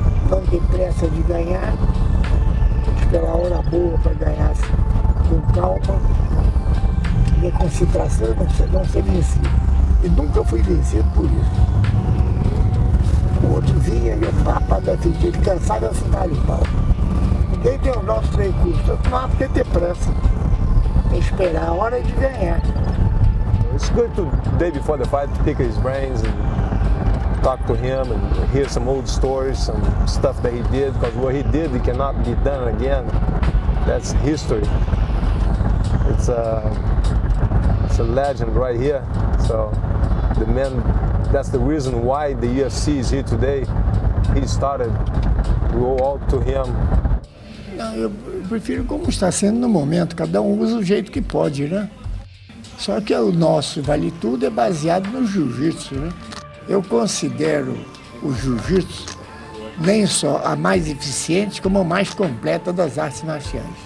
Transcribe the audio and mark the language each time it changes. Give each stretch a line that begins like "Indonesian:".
Portuguese: Não tem pressa de ganhar, esperar a hora boa para ganhar com calma, minha concentração para não ser vencido. E nunca fui vencido por isso. O outro vinha e eu, papo, cansado, eu sentava de pau. Desde o nosso treino, eu não acho que tem pressa. Esperar a hora de ganhar.
English: It's good to, day before the fight, pick his brains and talk to him and hear some old stories, some stuff that he did, because what he did, it cannot be done again. That's history. It's a legend right here. So the man, that's the reason why the UFC is here today. He started. We owe all to him.
Portuguese: Não, eu prefiro como está sendo no momento. Cada usa o jeito que pode, né? Só que o nosso vale tudo é baseado no jiu-jitsu, né? Eu considero o jiu-jitsu nem só a mais eficiente, como a mais completa das artes marciais.